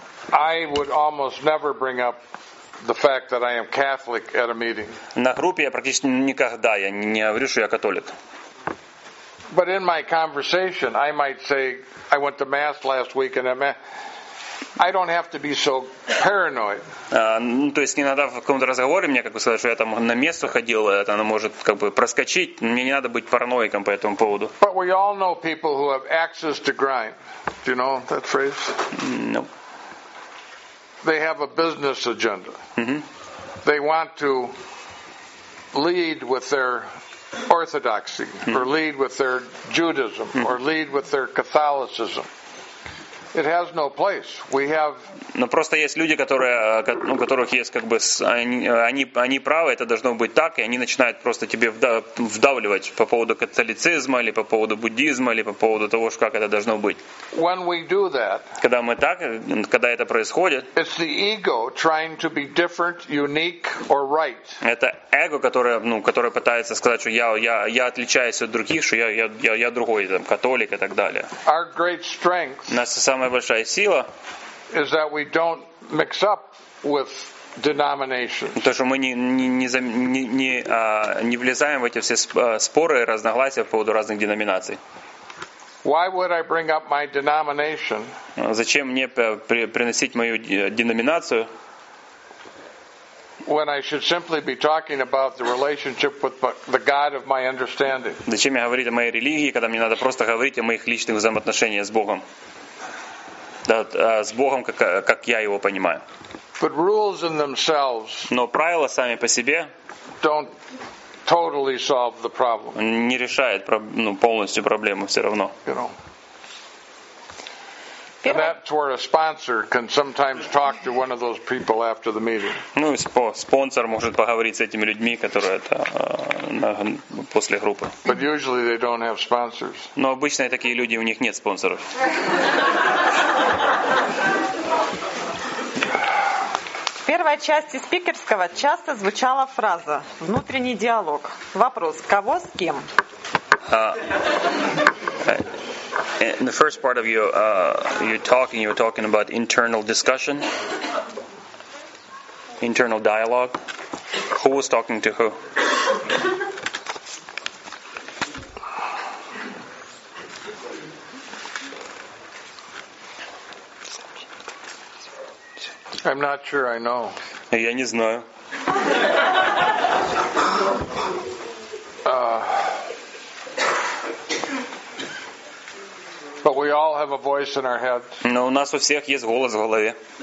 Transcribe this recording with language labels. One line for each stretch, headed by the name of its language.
English: I would almost never bring up the fact that I am Catholic at a meeting.
Russian: На группе я практически никогда я не говорю, что я католик.
English: But in my conversation, I might say I went to mass last week, and I don't have to be so paranoid.
Russian: То есть иногда в каком-то разговоре мне как бы сказать, что я там на место ходил, это оно может как бы проскочить. Мне не надо быть параноиком по этому поводу.
English: But we all know people who have access to grind. Do you know that phrase? Nope. They have a business agenda. Mm-hmm. They want to lead with their orthodoxy, mm-hmm. or lead with their Judaism, mm-hmm. or lead with their Catholicism. It has no place. We have.
Russian: Но просто есть люди, которые, у которых есть как бы они правы, это должно быть так, и они начинают просто тебе вдавливать по поводу католицизма или по поводу буддизма или по поводу того, как это должно быть.
English: When we do that.
Russian: Когда мы так, когда это происходит.
English: It's the ego trying to be different, unique or right.
Russian: Это эго, которое, ну, которое пытается сказать, что я отличаюсь от других, что я другой, там, католик и так далее.
English: Our great strength.
Russian: Самая большая сила
English: is that we don't mix up with denominations.
Russian: То, что мы не влезаем в эти все споры и разногласия по поводу разных деноминаций.
English: Why would I bring up my denomination?
Russian: Зачем мне приносить мою деноминацию?
English: When I should simply be talking about the relationship with the God of my understanding.
Russian: Зачем мне говорить о моей религии, когда мне надо просто говорить о моих личных взаимоотношениях с Богом? Да, с Богом, как я его понимаю.
English: But rules in themselves.
Russian: Но правила сами по себе.
English: Don't totally solve the problem.
Russian: Не решает полностью проблему все равно.
English: You know. And that's where a sponsor can sometimes talk to one of those people after the meeting.
Russian: Ну, спонсор может поговорить с этими людьми, которые это после группы.
English: But usually they don't have sponsors.
Russian: Но обычно такие люди у них нет спонсоров. В первой части спикерского часто звучала фраза «внутренний диалог». Вопрос «кого с кем?»
English: In the first part of your talking, you were talking about internal discussion, internal dialogue. Who was talking to who? I'm not sure I know.
Russian: Я не знаю.
English: But we all have a voice in our head.
Russian: Но у нас у всех есть голос в голове.